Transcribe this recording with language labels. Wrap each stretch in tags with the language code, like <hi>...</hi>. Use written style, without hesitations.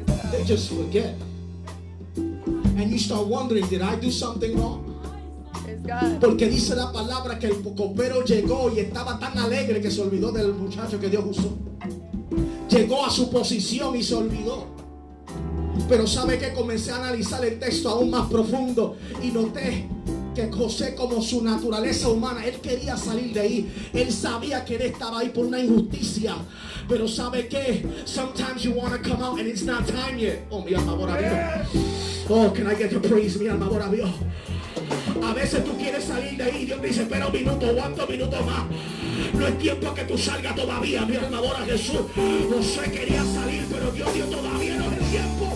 <en>They just forget. And you start wondering, did I do something wrong?</en> <es>Porque dice la palabra que el copero llegó y estaba tan alegre que se olvidó del muchacho que Dios usó. Llegó a su posición y se olvidó. Pero sabe que comencé a analizar el texto aún más profundo y noté que José, como su naturaleza humana, él quería salir de ahí. Él sabía que él estaba ahí por una injusticia. Pero sabe que</es> <en>sometimes you want to come out and it's not time yet.</en> <es>Oh, mi alma adora a Dios.</es> <en>Oh, can I get your praise,</en> <es>mi alma adora a Dios. A veces tú quieres salir de ahí y Dios dice, espera un minuto, aguanta un minuto más. No es tiempo que tú salgas todavía, mi alma adora a Jesús. José quería salir, pero Dios todavía no es el tiempo.</es>